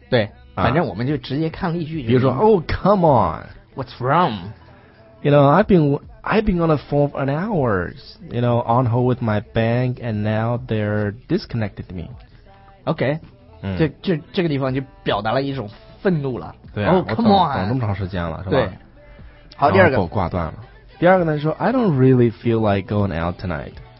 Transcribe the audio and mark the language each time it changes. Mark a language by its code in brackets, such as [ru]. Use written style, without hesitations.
[zh] 对，反正我们就直接看例句。比如说 [en] ，Oh, come on. What's wrong? You know, I've been on the phone for an hour. You know, on hold with my bank, and now they're disconnected me. Okay. 嗯、 [zh] 这个地方就表达了一种愤怒了。对啊、 [en] oh, come on. [zh] 我等这么长时间了，是吧？对。好，第二个。然后挂断了。第二个呢，说 [en] I don't really feel like going out tonight.